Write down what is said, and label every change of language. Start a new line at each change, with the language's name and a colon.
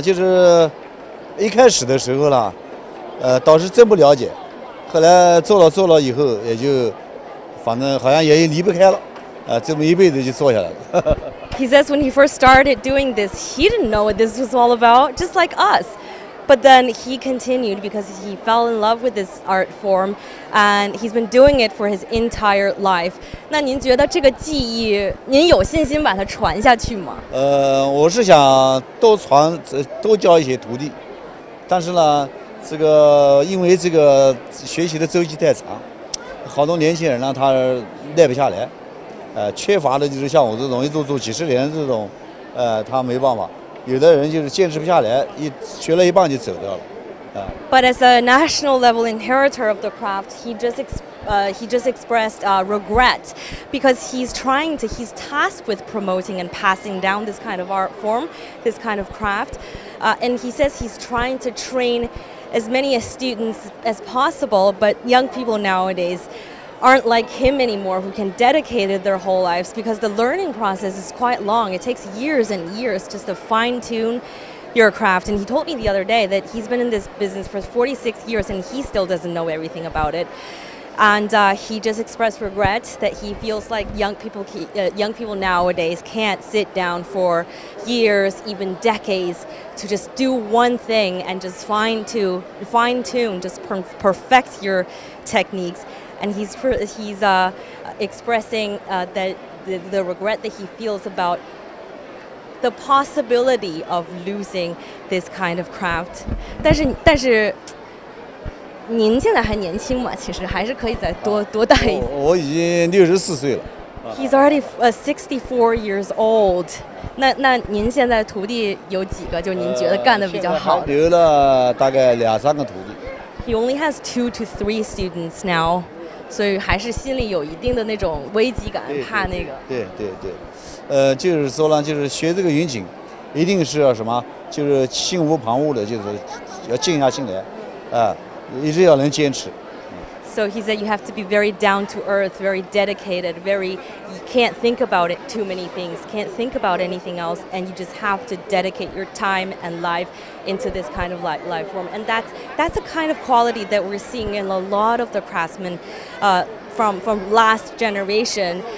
Chinese: 就是一开始的时候呢，导师真不了解，后来做了以后，也就反正好像也离不开了，这么一辈子就做下来了。
English: He says when he first started doing this, he didn't know what this was all about, just like us. But then he continued because he fell in love with this art form, and he's been doing it for his entire life.
Chinese: 那您觉得这个技艺，您有信心把它传下去吗？我是想多传，多教一些徒弟，但是呢，这个因为这个学习的周期太长，好多年轻人呢他耐不下来，缺乏的就是像我这种一做几十年这种，他没办法。有的人就是坚持不下来，一学了一半就走掉了，
English: But as a national level inheritor of the craft, he just expressed regret, because he's tasked with promoting and passing down this kind of art form, this kind of craft, and he says he's trying to train as many students as possible. But young people nowadays aren't like him anymore, who can dedicate it their whole lives, because the learning process is quite long. It takes years and years just to fine tune your craft. And he told me the other day that he's been in this business for 46 years and he still doesn't know everything about it. And he just expressed regret that he feels like young people nowadays can't sit down for years, even decades, to just do one thing and just fine tune, just perfect your techniques. And he's expressing the regret that he feels about the possibility of losing this kind of craft.
Chinese: 但是您现在还年轻嘛，其实还是可以再多带一点。我已经64岁了。
English: He's already 64 years old.
Chinese: 那您现在徒弟有几个？就您觉得干的比较好的？留了大概两三个徒弟。
English: He only has 2 to 3 students now.
Chinese: 所以还是心里有一定的那种危机感，怕那个。对对对，就是说呢，就是学这个云锦，一定是要什么，就是心无旁骛的，就是要静下心来，啊，一直要能坚持。
English: So he said you have to be very down to earth, very dedicated, very, you can't think about it too many things, can't think about anything else, and you just have to dedicate your time and life into this kind of life form. And that's a kind of quality that we're seeing in a lot of the craftsmen from last generation.